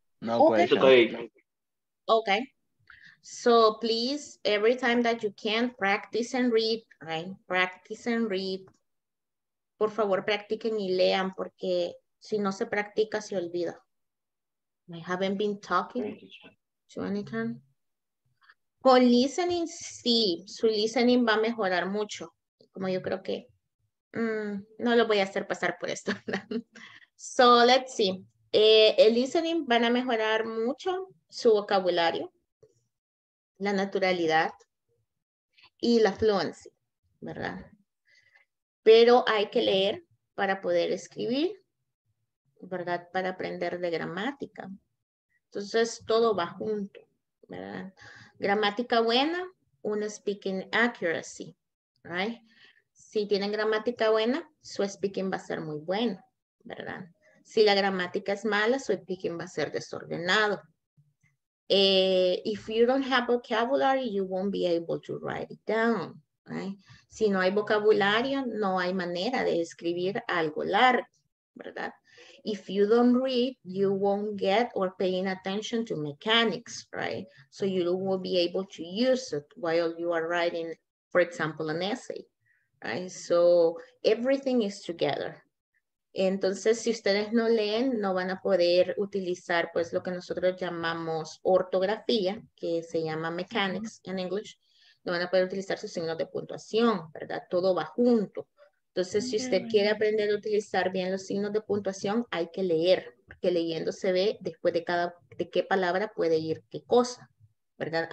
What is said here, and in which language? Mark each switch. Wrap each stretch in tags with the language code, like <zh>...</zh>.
<en>Okay. So please, every time that you can, practice and read, right? Practice and read.</en> <es>Por favor, practiquen y lean, porque si no se practica, se olvida.</es> <en>I haven't been talking to anyone.</en> <es>Con listening, sí, su listening va a mejorar mucho. Como yo creo que no lo voy a hacer pasar por esto.</es> <en>So let's see.</en> <es>El listening van a mejorar mucho su vocabulario, la naturalidad y la fluency, ¿verdad? Pero hay que leer para poder escribir, ¿verdad? Para aprender de gramática. Entonces, todo va junto, ¿verdad? Gramática buena, un</es> <en>speaking accuracy, right?</en> <es>Si tienen gramática buena, su speaking va a ser muy bueno, ¿verdad? Si la gramática es mala, su speaking va a ser desordenado.</es> <en>If you don't have vocabulary, you won't be able to write it down, right?</en> <es>Si no hay vocabulario, no hay manera de escribir algo largo, ¿verdad?</es> <en>if you don't read, you won't get or paying attention to mechanics, right? So you will be able to use it while you are writing, for example, an essay, right? So everything is together.</en> <es>Entonces, si ustedes no leen, no van a poder utilizar pues lo que nosotros llamamos ortografía, que se llama</es> <en>mechanics in English.</en> <es>No van a poder utilizar sus signos de puntuación, ¿verdad? Todo va junto. Entonces, si usted quiere aprender a utilizar bien los signos de puntuación, hay que leer, porque leyendo se ve después de cada, de qué palabra puede ir qué cosa, ¿verdad?</es>